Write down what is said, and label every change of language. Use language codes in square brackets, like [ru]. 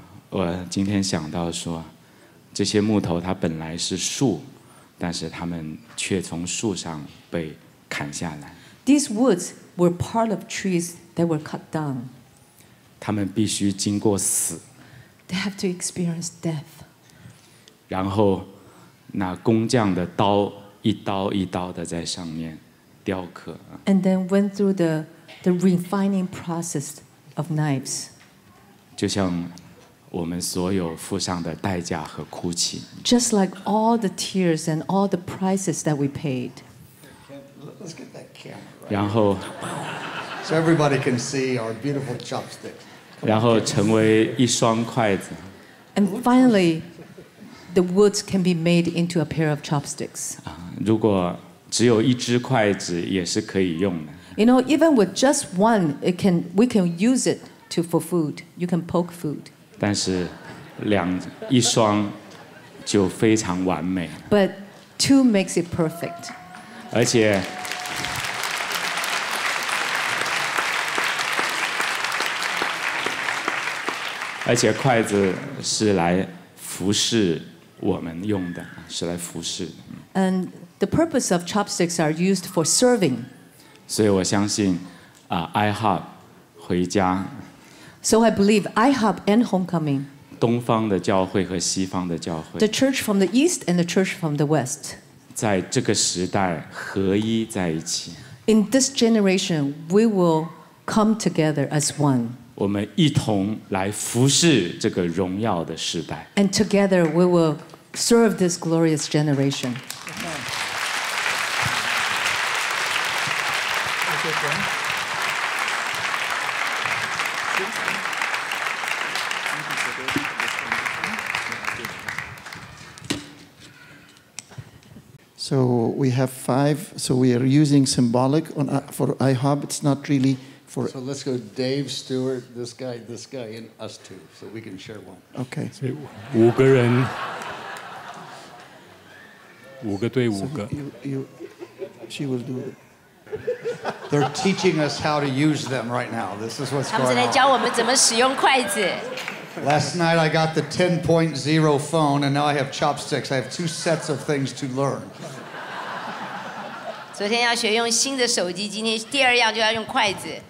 [zh] 我今天想到说，这些木头它本来是树，但是它们却从树上被砍下来。 [en] These woods were part of trees that were cut down. [zh] 它们必须经过死。 [en] They have to experience death. [zh] 然后，那工匠的刀一刀一刀的在上面。雕刻 [en] and then went through the refining process of knives. [zh] 就像我们所有付上的代价和哭泣 [en] Just like all the tears and all the prices that we paid. Let's get that camera. Right [zh] 然后 [en] so everybody can see our beautiful chopstick. [zh] 然后成为一双筷子 [en] And finally, the woods can be made into a pair of chopsticks. [zh] 如果只有一只筷子也是可以用的。 [en] You know, even with just one, we can use it for food. You can poke food. [zh] 但是一双就非常完美。 [en] But two makes it perfect. [zh] 而且筷子是来服侍我们用的，是来服侍。 [en] And the purpose of chopsticks are used for serving. [zh] 所以我相信，IHOP 回家。 [en] So I believe IHOP and Homecoming. [zh] 东方的教会和西方的教会。 [en] The church from the east and the church from the west. [zh] 在这个时代合一在一起。 [en] In this generation, we will come together as one. [zh] 我们一同来服侍这个荣耀的时代。 [en] And together we will serve this glorious generation. So we have five. So we are using symbolic on, for IHOB. It's not really for. So let's go, Dave Stewart, this guy, and us two, so we can share one. Okay. [zh] 五个人，五个对五个。 [en] She will do it. They're teaching us how to use them right now. This is what's going on. [zh] 他们正在教我们怎么使用筷子。 [en] Last night I got the 10.0 phone, and now I have chopsticks. I have two sets of things to learn. [zh] 昨天要学用新的手机，今天第二样就要用筷子。